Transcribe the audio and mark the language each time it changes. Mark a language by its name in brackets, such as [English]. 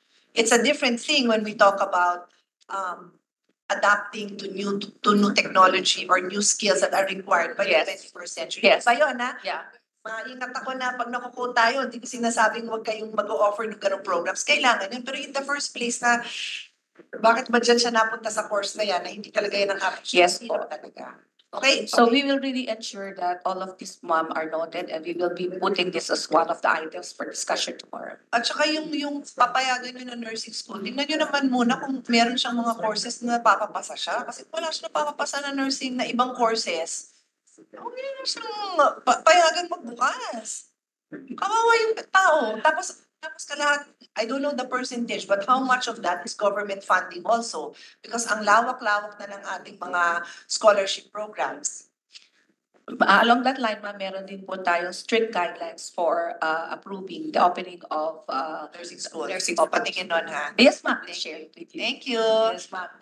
[English] It's a different thing when we talk about adapting to new technology or new skills that are required by the 21st century. Yes. [Filipino] Sa'yo, Ana, [English] yeah. [Filipino] Maingat ako na pag nakukuha tayo, hindi ko sinasabing huwag kayong mag-o-offer ng ganong programs. Kailangan yun. Pero [English] in the first place [Filipino] na, bakit ba dyan siya napunta sa course na yan na hindi talaga yan ang [English] option? Yes [Filipino] po. Talaga. Okay. [English] So okay. We will really ensure that all of these mom are noted and we will be putting this as one of the items for discussion tomorrow. [Filipino] At saka yung papayagan nyo ng nursing school, tingnan nyo naman muna kung meron siyang mga courses na papapasa siya. Kasi wala siya papapasa na nursing na ibang courses, huwag nyo na siyang payagan magbukas. Kawawa yung tao. Tapos ka lahat, [English] I don't know the percentage, but how much of that is government funding also? Because [Filipino] ang lawak-lawak na ng ating mga scholarship programs. [English] Along that line, ma'am, [Filipino] meron din po tayong [English] strict guidelines for approving the opening of nursing school. Nursing school. [Filipino] Patingin nun, ha? [English] Yes, ma'am. I'll share it with you. Thank you. Yes, ma'am.